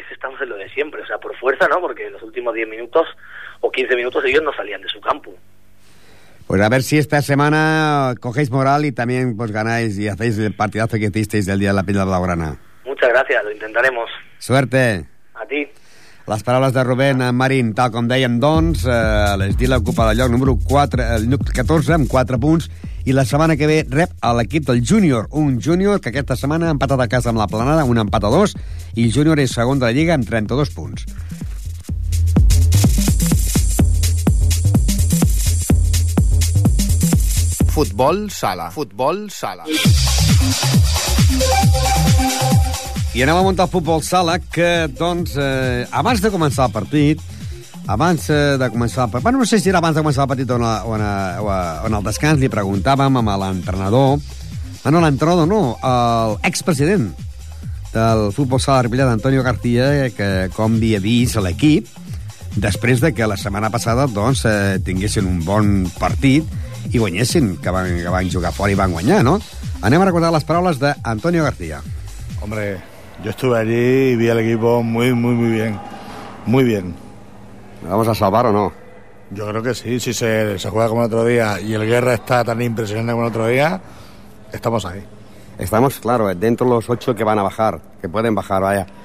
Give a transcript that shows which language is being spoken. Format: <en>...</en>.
<es>Estamos en lo de siempre, o sea, por fuerza, ¿no? Porque en los últimos 10 minutos o 15 minutos ellos no salían de su campo. Pues a ver si esta semana cogéis moral y también pues ganáis y hacéis el partidazo que hicisteis del día de la Peña Blaugrana. Muchas gracias, lo intentaremos. Suerte. A ti.</es> <ca>Les paraules de Rubén Marín, tal com dèiem, doncs, l'Estil ocupa el lloc número 4, el 14, amb 4 punts, i la setmana que ve rep a l'equip del Júnior, un Júnior que aquesta setmana ha empatat a casa amb la Planada, un empat a 2, i el Júnior és segon de la Lliga amb 32 punts. Futbol sala. Futbol sala. I anem a muntar el futbol sala, que, doncs, abans de començar el partit, bueno, no sé si era abans de començar el partit o en el descans, li preguntàvem a l'entrenador, no, l'entrenador no, el expresident del futbol sala de Ripollet, Antonio García, que com havia vist l'equip, després de que la setmana passada, doncs, tinguessin un bon partit i guanyessin, que van jugar fora i van guanyar, no? Anem a recordar les paraules d'Antonio García.</ca> <es>Hombre, yo estuve allí y vi al equipo muy, muy, muy bien. Muy bien. ¿Vamos a salvar o no? Yo creo que sí. Si se juega como el otro día y el Guerra está tan impresionante como el otro día, estamos ahí. Estamos, claro, dentro de los 8 que van a bajar, que pueden bajar, vaya.</es>